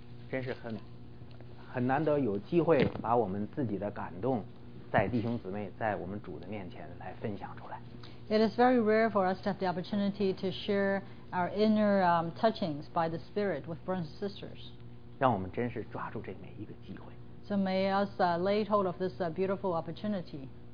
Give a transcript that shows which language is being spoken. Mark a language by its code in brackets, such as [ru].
[zh] 真是很难得有机会把我们自己的感动在弟兄姊妹在我们主的面前来分享出来。 [en] It is very rare for us to have the opportunity to share our inner touchings by the Spirit with brothers and sisters. [zh] 让我们真是抓住这每一个机会。 [en] So may us lay hold of this beautiful opportunity.